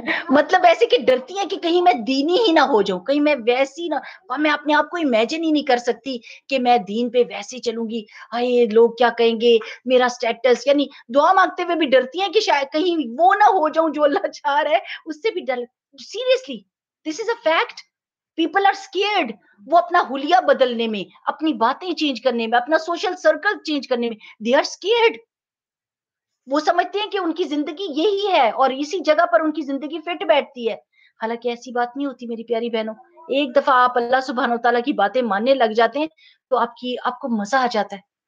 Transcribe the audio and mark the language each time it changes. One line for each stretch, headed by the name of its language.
Urdu: مطلب ایسے کہ ڈرتی ہیں کہ کہیں میں دینی ہی نہ ہو جاؤں, کہیں میں ویسی نہ, میں اپنے آپ کو امیجن ہی نہیں کر سکتی کہ میں دین پہ ویسے چلوں گی, آئے لوگ کیا کہیں گے, میرا سٹیٹس, یعنی دعا مانگتے ہوئے بھی ڈرتی ہیں کہ شاید کہیں وہ نہ ہو جاؤں جو اللہ چاہ رہا ہے, اس سے بھی ڈر.
English: Seriously, this is a fact, people are scared.
Urdu: وہ اپنا حلیہ بدلنے میں, اپنی باتیں چینج کرنے میں, اپنا سوشل سرکل چینج کرنے میں,
English: They are scared.
Urdu: وہ سمجھتے ہیں کہ ان کی زندگی یہی ہے اور اسی جگہ پر ان کی زندگی فٹ بیٹھتی ہے. حالانکہ ایسی بات نہیں ہوتی میری پیاری بہنوں. ایک دفعہ آپ اللہ سبحانہ وتعالیٰ کی باتیں ماننے لگ جاتے ہیں تو آپ کو مزہ آ جاتا ہے.